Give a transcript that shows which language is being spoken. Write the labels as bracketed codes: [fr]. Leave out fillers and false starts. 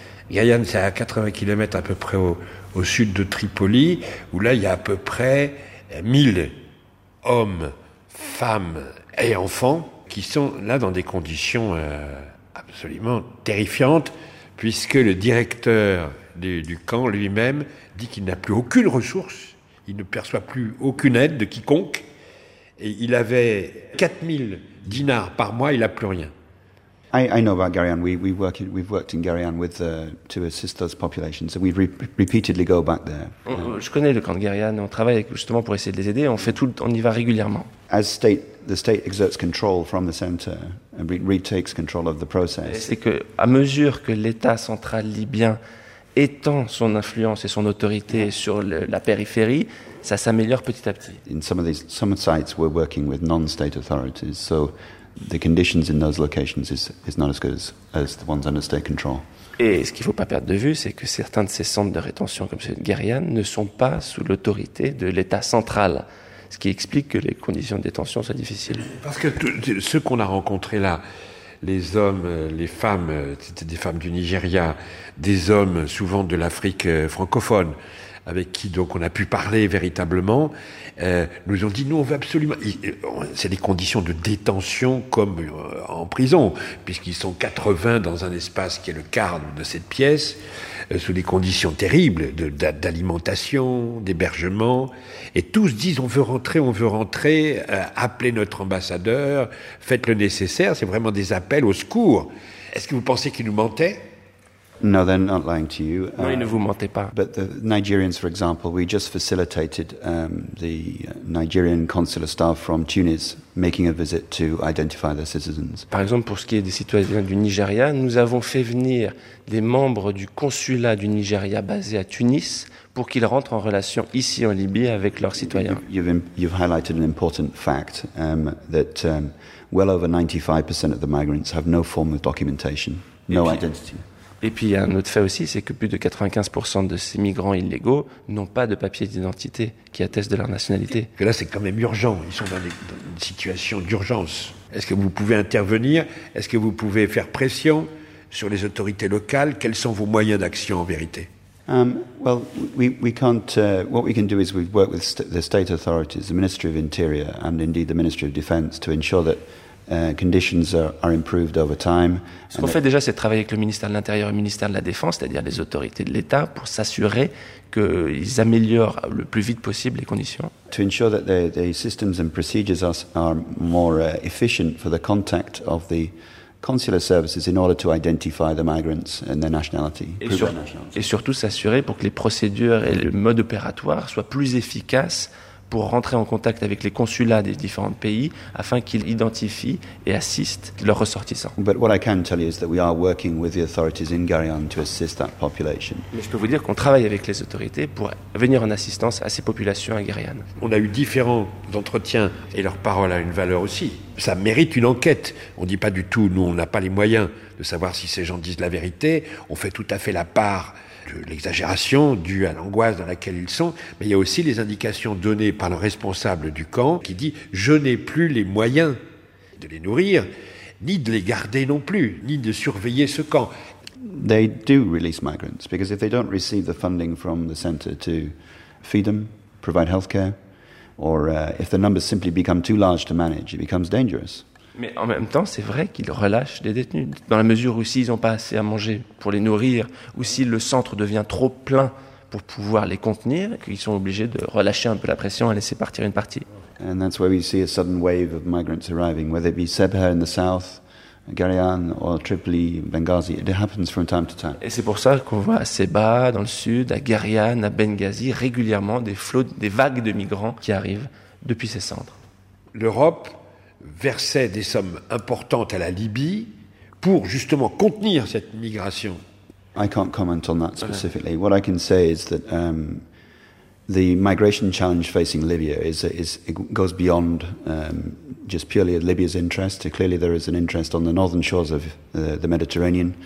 [fr] Guériane, c'est à 80 km à peu près au sud de Tripoli, où là, il y a à peu près 1000 hommes, femmes et enfants qui sont là dans des conditions absolument terrifiantes, puisque le directeur du camp lui-même dit qu'il n'a plus aucune ressource, il ne perçoit plus aucune aide de quiconque. Et il avait 4000 dinars par mois, il n'a plus rien. [en] I know about Guériane. We've worked in Guériane with to assist those populations, and we've repeatedly go back there. [fr] Je connais le camp de Guériane. On travaille justement pour essayer de les aider. On y va régulièrement. [en] As the state exerts control from the center and retakes control of the process. [fr] C'est que à mesure que l'État central libyen étend son influence et son autorité sur la périphérie, ça s'améliore petit à petit. [en] In some sites, we're working with non-state authorities, so the conditions in those locations is not as good as the ones under state control. [fr] Et ce qu'il ne faut pas perdre de vue, c'est que certains de ces centres de rétention, comme celui de Guériane, ne sont pas sous l'autorité de l'État central, ce qui explique que les conditions de détention soient difficiles. Parce que ceux qu'on a rencontrés là, les hommes, les femmes, c'était des femmes du Nigeria, des hommes souvent de l'Afrique francophone, avec qui donc on a pu parler véritablement, nous ont dit, nous on veut absolument... C'est des conditions de détention comme en prison, puisqu'ils sont 80 dans un espace qui est le quart de cette pièce, sous des conditions terribles d'alimentation, d'hébergement, et tous disent, on veut rentrer, appelez notre ambassadeur, faites le nécessaire, c'est vraiment des appels au secours. Est-ce que vous pensez qu'ils nous mentaient? [en] No, they're not lying to you. [fr] Non, ils ne vous mentaient pas. [en] But the Nigerians, for example, we just facilitated the Nigerian consular staff from Tunis making a visit to identify their citizens. [fr] Par exemple, pour ce qui est des citoyens du Nigeria, nous avons fait venir des membres du consulat du Nigeria basé à Tunis pour qu'ils rentrent en relation ici en Libye avec leurs citoyens. [en] You've highlighted an important fact that well over 95% of the migrants have no form of documentation, no identity. [fr] Et puis, il y a un autre fait aussi, c'est que plus de 95% de ces migrants illégaux n'ont pas de papiers d'identité qui attestent de leur nationalité. Et là, c'est quand même urgent. Ils sont dans une situation d'urgence. Est-ce que vous pouvez intervenir? Est-ce que vous pouvez faire pression sur les autorités locales? Quels sont vos moyens d'action en vérité? [en] What we can do is we work with the state authorities, the Ministry of Interior and indeed the Ministry of Defense to ensure that conditions are improved over time. [fr] Ce qu'on fait déjà, c'est travailler avec le ministère de l'Intérieur et le ministère de la Défense, c'est-à-dire les autorités de l'État, pour s'assurer qu'ils améliorent le plus vite possible les conditions. [en] To ensure that the systems and procedures are more efficient for the contact of the consular services in order to identify the migrants and their nationality. [fr] Et surtout s'assurer pour que les procédures et le mode opératoire soient plus efficaces pour rentrer en contact avec les consulats des différents pays afin qu'ils identifient et assistent leurs ressortissants. [en] But what I can tell you is that we are working with the authorities in Guériane to assist that population. [fr] Mais je peux vous dire qu'on travaille avec les autorités pour venir en assistance à ces populations à Guériane. On a eu différents entretiens et leur parole a une valeur aussi. Ça mérite une enquête. On dit pas du tout, nous on n'a pas les moyens de savoir si ces gens disent la vérité. On fait tout à fait la part de l'exagération due à l'angoisse dans laquelle ils sont, mais il y a aussi les indications données par le responsable du camp qui dit « je n'ai plus les moyens de les nourrir, ni de les garder non plus, ni de surveiller ce camp ». [en] They do release migrants, because if they don't receive the funding from the center to feed them, provide healthcare, or if the numbers simply become too large to manage, it becomes dangerous. [fr] Mais en même temps, c'est vrai qu'ils relâchent les détenus, dans la mesure où s'ils n'ont pas assez à manger pour les nourrir, ou si le centre devient trop plein pour pouvoir les contenir, qu'ils sont obligés de relâcher un peu la pression et laisser partir une partie. [en] And that's where we see a sudden wave of migrants arriving, whether it be Sebha in the south, Garian or Tripoli, Benghazi. It happens from time to time. [fr] Et c'est pour ça qu'on voit à Sebha dans le sud, à Garian, à Benghazi, régulièrement des flots, des vagues de migrants qui arrivent depuis ces centres. L'Europe versait des sommes importantes à la Libye pour justement contenir cette migration. [en] I can't comment on that specifically. What I can say is that the migration challenge facing Libya is it goes beyond just purely Libya's interest. Clearly there is an interest on the northern shores of the Mediterranean.